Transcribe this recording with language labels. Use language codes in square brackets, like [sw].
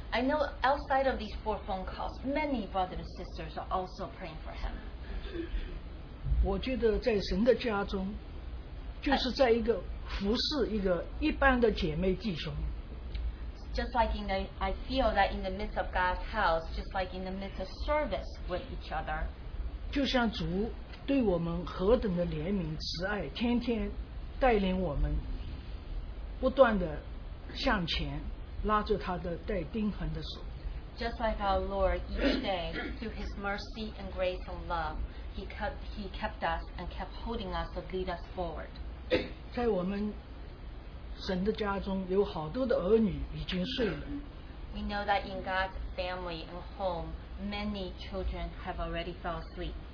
[en] I know outside of these four phone calls, many brothers and sisters are also praying for him. [zh] 我觉得在神的家中，就是在一个服侍一个一般的姐妹弟兄。 [en] Just like in the, I feel that in the midst of God's house, just like in the midst of service with each other. [zh] 就像主对我们何等的怜悯慈爱，天天带领我们，不断的向前，拉着他的带钉痕的手。 [en] Just like our Lord each day, through His mercy and grace and love, He kept us and kept holding us to lead us forward. [zh] 在我们神的家中，有好多的儿女已经睡了。 [en] We know that in God's family and home, many children have already fell asleep.